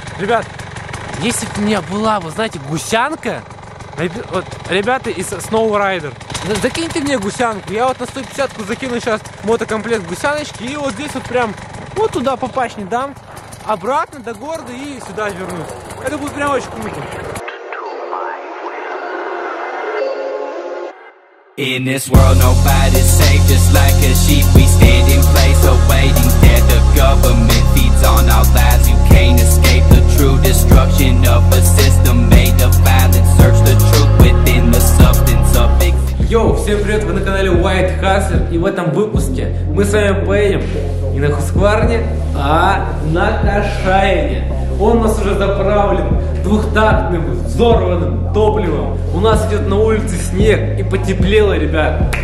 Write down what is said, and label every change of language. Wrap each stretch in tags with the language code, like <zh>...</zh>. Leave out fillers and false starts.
<ru>Ребят, если бы у меня была, вы знаете, гусянка, вот, ребята из Snow Rider, закиньте мне гусянку. Я вот на 150-ку закину сейчас мотокомплект гусяночки и вот здесь вот прям вот туда попасть не дам. Обратно до города и сюда вернусь. Это будет прям очень круто.</ru> <en>In this world nobody's safe, just like a sheep we stand in place awaiting death. The government feeds on our lies, you can't escape the true destruction of a system made of violence. Search the truth within the substance of it.</en> <ru>Йоу, всем привет, вы на канале White Hustler, и в этом выпуске мы с вами поедем не на Хускварне, а на Кашайне. Он у нас уже заправлен двухтактным взорванным топливом. У нас идет на улице снег и потеплело, ребят.</ru>